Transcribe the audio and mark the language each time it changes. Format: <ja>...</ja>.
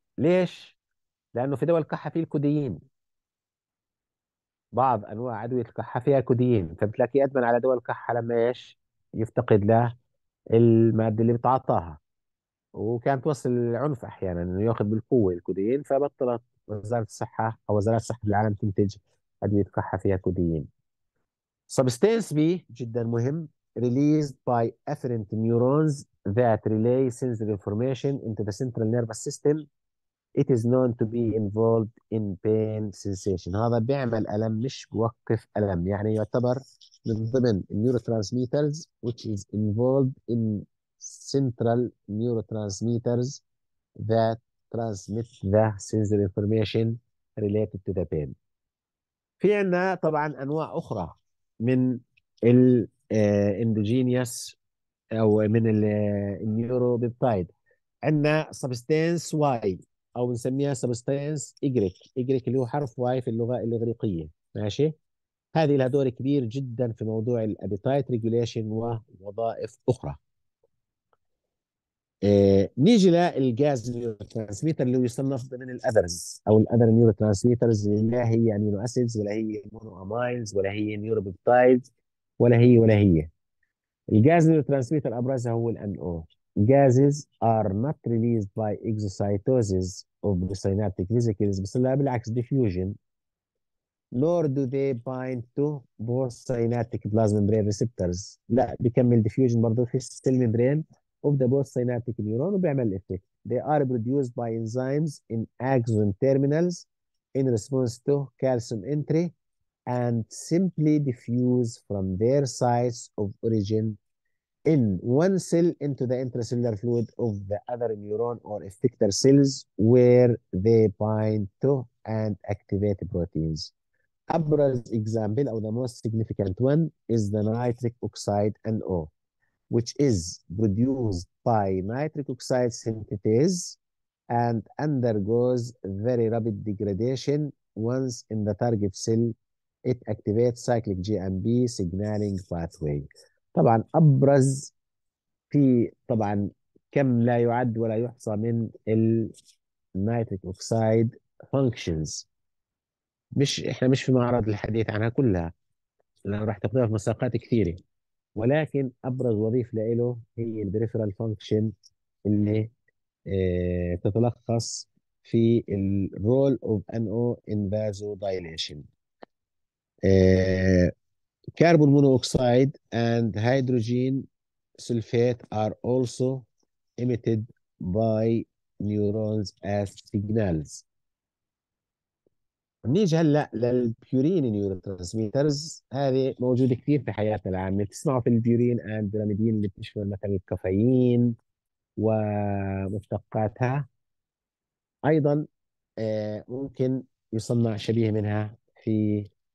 <ar>ليش؟ لأنه في دواء القحة فيه الكوديين، بعض أنواع أدوية القحة فيها كوديين، فبتلاقيه أدمن على دواء القحة لما إيش؟ يفتقد له المادة اللي بتعطاها، وكانت توصل للعنف أحيانا إنه يأخذ بالقوة الكوديين، فبطلت وزارة الصحة أو وزارات الصحة في العالم تنتج أدوية قحة فيها كوديين. سبستانس بي جدا مهم،</ar> <en>released by afferent neurons that relay sensory information into the central nervous system. It is known to be involved in pain sensation.</en> <ar>هذا بيعمل ألم مش بوقف ألم، يعني يعتبر من ضمن النيوروترانسميترز</ar> <en>which is involved in central neurotransmitters that transmit the sensory information related to the pain.</en> <ar>في عندنا طبعا أنواع أخرى من ال endogenous أو من النيوروبيبتايد. عندنا سبستانس واي أو بنسميها سبستانس إجريك، إجريك اللي هو حرف واي في اللغة الإغريقية، ماشي؟ هذه لها دور كبير جدا في موضوع الأبيتايت ريجوليشن ووظائف أخرى. نيجي للجاز نيوروترانسميتر اللي يصنف ضمن الاذرز او الاذر نيوروترانسميترز، لا هي امينو اسيدز ولا هي مونو امايلز ولا هي نيوروبيبتايدز ولا هي ولا هي. الجاز نيوروترانسميتر ابرزها هو الان او.</ar> <en>Gases are not released by exocytosis of the synaptic vesicles</en> <ar>بس لا بالعكس</ar> <en>diffusion, nor do they bind to both synaptic plasma membrane receptors.</en> <ar>لا بيكمل diffusion برضه في السيل membrane of the both synaptic neuron وبيعمل الإفكت.</ar> <en>They are produced by enzymes in axon terminals in response to calcium entry and simply diffuse from their sites of origin in one cell into the intracellular fluid of the other neuron or effector cells where they bind to and activate proteins.</en> <ar>أبرز</ar> <en>example أو the most significant one is the nitric oxide NO, which is produced by nitric oxide synthetase and undergoes very rapid degradation once in the target cell. It activates cyclic GMP signaling pathway.</en> <ar>طبعا ابرز في طبعا كم لا يعد ولا يحصى من النيتريك اوكسيد فانكشنز، مش احنا مش في معرض الحديث عنها كلها لان راح تقضيها في مساقات كثيره، ولكن ابرز وظيفه له هي البريفرال فانكشن اللي تتلخص في الرول اوف ان او ان فازو دايليشن.</ar> <en>Carbon monoxide and hydrogen sulphide are also emitted by neurons as signals.</en> <ar>نيجي هلا للبيورين نيوروترانسميترز، هذه موجوده كثير في حياتنا العامه، تسمعوا في البيورين اند بيراميدين اللي بتشمل مثلا الكافيين ومشتقاتها، ايضا ممكن يصنع شبيه منها في</ar>